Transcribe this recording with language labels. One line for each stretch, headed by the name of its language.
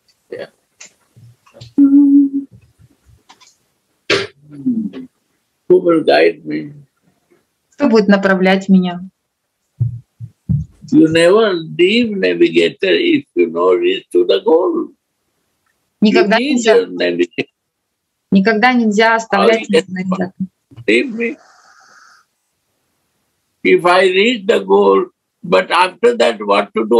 English: Yeah. Who will guide me?
Russian: Кто будет направлять меня?
English: You never leave navigator if you know reach to the goal.
Russian: Никогда нельзя оставлять навигатор.
English: If I reach the goal, but after that what to do?